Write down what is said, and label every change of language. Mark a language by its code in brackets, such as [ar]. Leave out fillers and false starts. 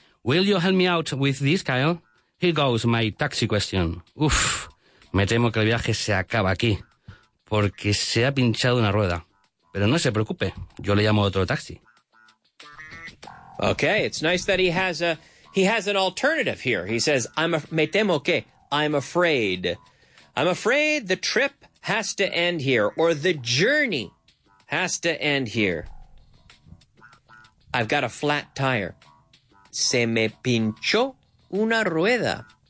[en] Will you help me out with this, Kyle? Here goes my taxi question. [es] Uf, me temo que el viaje se acaba aquí, porque se ha pinchado una rueda. Pero no se preocupe, yo le llamo a otro taxi. [en] Okay, it's nice that he has an alternative here. He says, I'm afraid. I'm afraid the trip has to end here, or the journey has to end here. I've got a flat tire. [es] Se me pinchó una rueda.